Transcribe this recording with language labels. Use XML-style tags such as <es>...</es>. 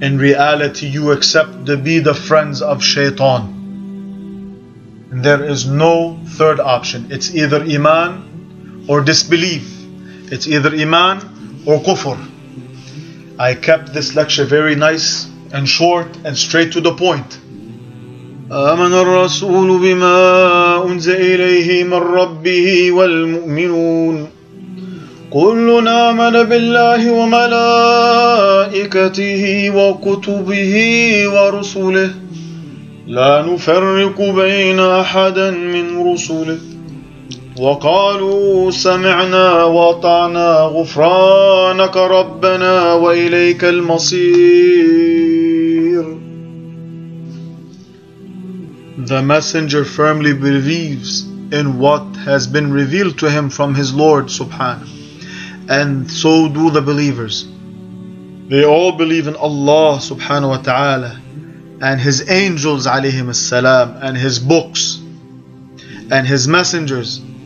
<en>In reality, you accept to be the friends of shaitan. There is no third option. It's either iman or disbelief. It's either iman or kufr. I kept this lecture very nice and short and straight to the point.</en> <ar>آمن الرسول بما أنزل إليه من ربه والمؤمنون كلنا آمن بالله وملائكته وكتبه ورسله لا نفرق بين أحد من رسله وقالوا سمعنا وطعنا غفرانك ربنا وإليك المصير.</ar> <en>The messenger firmly believes in what has been revealed to him from his Lord subhanahu, and so do the believers. They all believe in Allah subhanahu wa ta'ala and his angels alayhim as-salam and his books and his messengers.</en>